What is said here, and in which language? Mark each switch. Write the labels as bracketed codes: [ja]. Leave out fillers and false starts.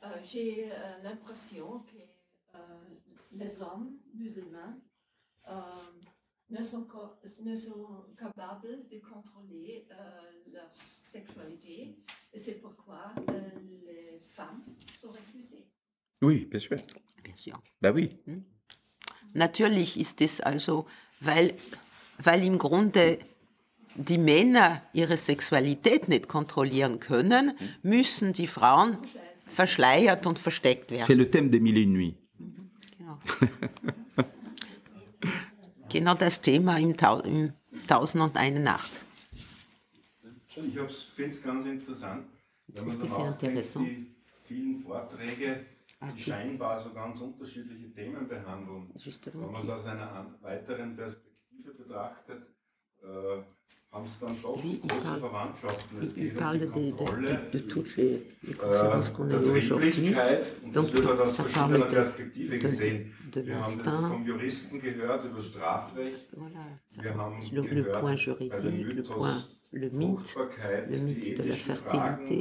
[fr] J'ai l'impression que les hommes musulmans ne sont capables de contrôler leur sexualité. Et c'est pourquoi les femmes sont refusées. Oui, bien sûr. Bien sûr. Ben oui. [de] Natürlich ist es also, weil im Grunde die Männer ihre Sexualität nicht kontrollieren können, müssen die Frauen verschleiert und versteckt werden. [fr] C'est le thème des mille et une nuits. [de] Genau das Thema im Tausend und eine Nacht. Ich finde es ganz interessant, wenn man auch denkt, die vielen Vorträge, die scheinbar so ganz unterschiedliche Themen behandeln, wenn man es aus einer weiteren Perspektive betrachtet, haben es dann doch große Verwandtschaften. Es geht um die Kontrolle, die Dringlichkeit, und das wird aus verschiedener Perspektive gesehen. Wir haben das vom Juristen gehört, über Strafrecht, wir haben gehört bei den Mythos, [fr] le mythe de la fertilité,